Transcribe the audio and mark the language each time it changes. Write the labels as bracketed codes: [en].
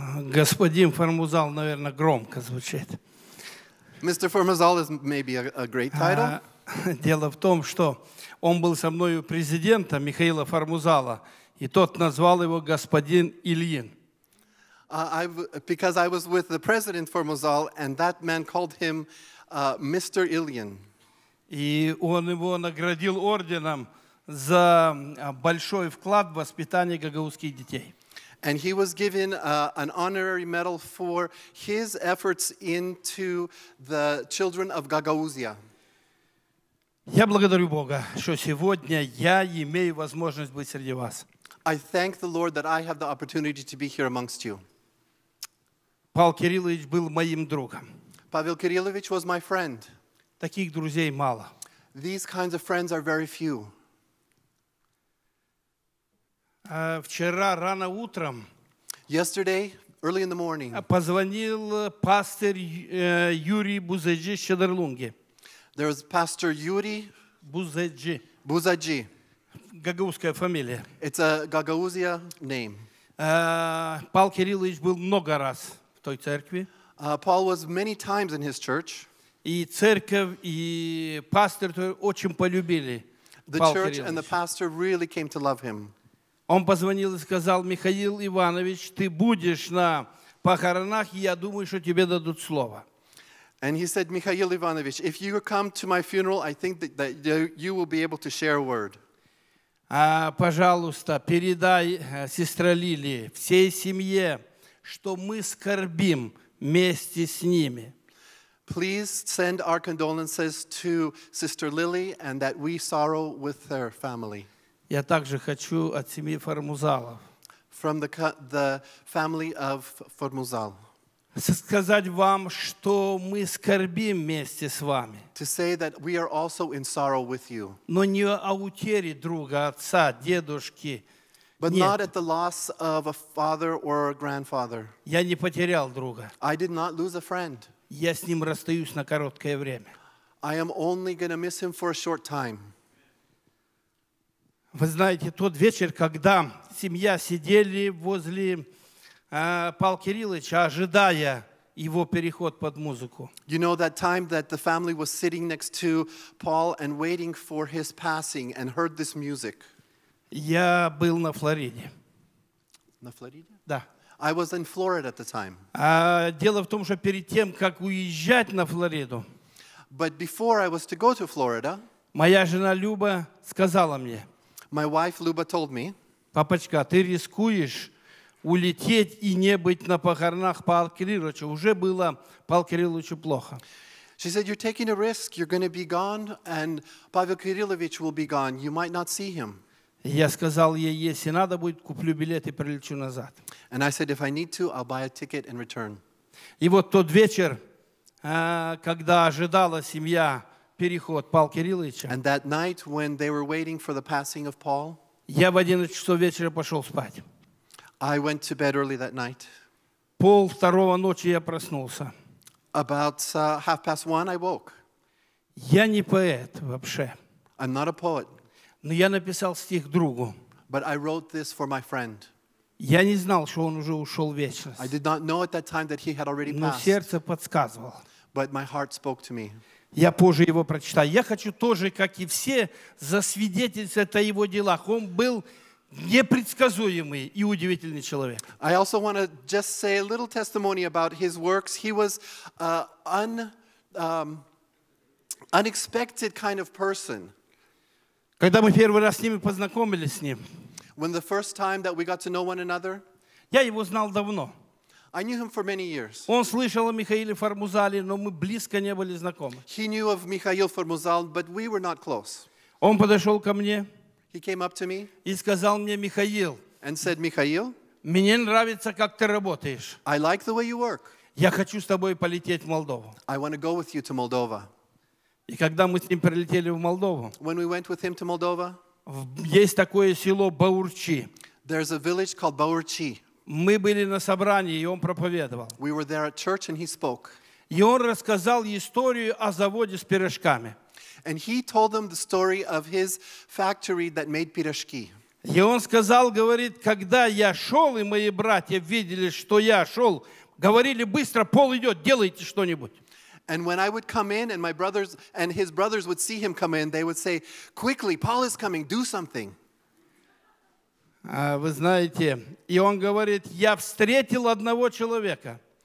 [ru] Господин Формузал, наверное, громко звучит. [en] Mr. Formazal is maybe a great title. [ru] Дело в том, что он был со мною президентом Михаила Формузала, и тот назвал его господин Ильин. [en] Because I was with the president Formazal, and that man called him Mr. Ilyin. [ru] И он его наградил орденом за большой вклад в воспитание гагаузских детей. [en] And he was given an honorary medal for his efforts into the children of Gagauzia. [ru] Я благодарю Бога, что сегодня я имею возможность быть среди вас. [en] I thank the Lord that I have the opportunity to be here amongst you. [ru] Павел Кириллович был моим другом. [en] Павел Кириллович was my friend. [ru] Таких друзей мало. [en] These kinds of friends are very few. [ru] Вчера рано утром [en] Yesterday, early in the morning, [ru] позвонил пастор Юрий Бузаджи Шедерлунги. [en] There was Pastor Yuri Бузаджи. [ru] Бузаджи. Гагаузская фамилия. [en] It's a Gagauzia name. [ru] Павел Кириллович был много раз в той церкви. [en] Paul was many times in his church. [ru] И церковь, и пастор очень полюбили [en] The [ru] Павел [en] church [ru] Кириллович. [en] And the pastor really came to love him. [ru] Он позвонил и сказал, Михаил Иванович, ты будешь на похоронах, и я думаю, что тебе дадут слово. [en] And he said, Михаил Иванович, if you come to my funeral, I think that you will be able to share a word. [ru] Пожалуйста, передай сестре Лили, всей семье, что мы скорбим вместе с ними. [en] Please send our condolences to Sister Lily and that we sorrow with her family. [ru] Я также хочу от семьи Формузалов. [en] From the family of Formuzal. [ru] Сказать вам, что мы скорбим вместе с вами. [en] To say that we are also in sorrow with you. [ru] Но не о утере друга, отца, дедушки. [en] But [ru] Нет. [en] Not at the loss of a father or a grandfather. [ru] Я не потерял друга. [en] I did not lose a friend. [ru] Я с ним расстаюсь на короткое время. [en] I am only going to miss him for a short time. [ru] Вы знаете, тот вечер, когда семья сидели возле Павла Кирилловича, ожидая его переход под музыку. [en] You know that time that the family was sitting next to Paul and waiting for his passing and heard this music? [ru] Я был на Флориде. На Флориде? Да. [en] I was in Florida at the time. [ru] Дело в том, что перед тем, как уезжать на Флориду, [en] But before I was to go to Florida, [ru] моя жена Люба сказала мне, [en] My wife Luba told me, [ru] "Папочка, ты рискуешь улететь и не быть на похоронах Павла Кирилловича. Уже было Павлу Кирилловичу плохо." [en] She said, "You're taking a risk. You're going to be gone, and Pavel Kirillovich will be gone. You might not see him." [ru] Я сказал ей, если надо будет, куплю билет и прилечу назад. [en] And I said, "If I need to, I'll buy a ticket and return." [ru] И вот тот вечер, когда ожидала семья. Переход Павла Кирилловича. [en] And that night, when they were waiting for the passing of Paul, [ru] я в 11 часов вечера пошел спать. [en] I went to bed early that night. [ru] Пол второго ночи я проснулся. [en] About half past one, I woke. [ru] Я не поэт вообще. [en] I'm not a poet. [ru] Но я написал стих другу. [en] But I wrote this for my friend. [ru] Я не знал, что он уже ушел в вечность. [en] I did not know at that time that he had already [ru] Но [en] passed. [ru] Но сердце подсказывало. [en] But my heart spoke to me. [ru] Я позже его прочитаю. Я хочу тоже, как и все, засвидетельствовать о его делах. Он был непредсказуемый и удивительный человек. [en] I also want to just say a little testimony about his works. He was unexpected kind of person. [ru] Когда мы первый раз с ним познакомились с ним. [en] When the first time that we got to know one another. [ru] Я его знал давно. [en] I knew him for many years. [ru] Он слышал о Михаиле Формузале, но мы близко не были знакомы. [en] He knew of Михаил Формузал, but we were not close. [ru] Он подошел ко мне. [en] He came up to me. [ru] И сказал мне, Михаил. [en] And said, Михаил. [ru] Мне нравится, как ты работаешь. [en] I like the way you work. [ru] Я хочу с тобой полететь в Молдову. [en] I want to go with you to Moldova. [ru] И когда мы с ним прилетели в Молдову. [en] When we went with him to Moldova. [ru] Есть такое село Баурчи. [en] There's a village called Баурчи. [ru] Мы были на собрании, и он проповедовал. [en] We were there at church and he spoke. [ru] И он рассказал историю о заводе с пирожками. [en] And he told them the story of his factory that made пирожки. [ru] И он сказал, говорит, когда я шел, и мои братья видели, что я шел, говорили быстро, пол идет, делайте что-нибудь. [en] And when I would come in, and my brothers and his brothers would see him come in, they would say, quickly, Paul is coming, do something. [ru] Вы знаете, и он говорит, я встретил одного человека,